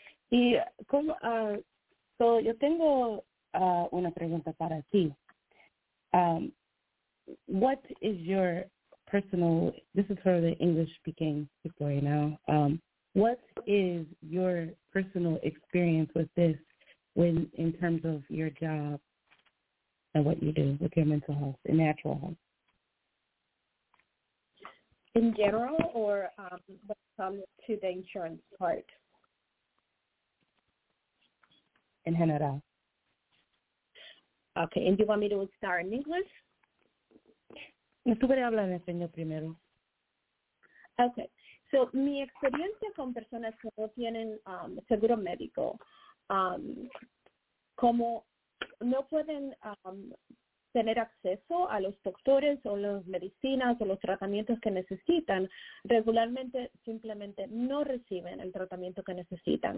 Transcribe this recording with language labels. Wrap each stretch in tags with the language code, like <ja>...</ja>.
<es>Y como, yo tengo una pregunta para ti.</es> <en>What is your personal, this is for the English speaking people right now, what is your personal experience with this when in terms of your job and what you do with your mental health and natural health? In general or when it comes to the insurance part? In general. Okay, and do you want me to start in English?</en> <es>Tú puedes hablar en español primero.</es> <en>Okay.</en> <es>So, mi experiencia con personas que no tienen seguro médico, como no pueden tener acceso a los doctores o las medicinas o los tratamientos que necesitan, regularmente simplemente no reciben el tratamiento que necesitan.</es>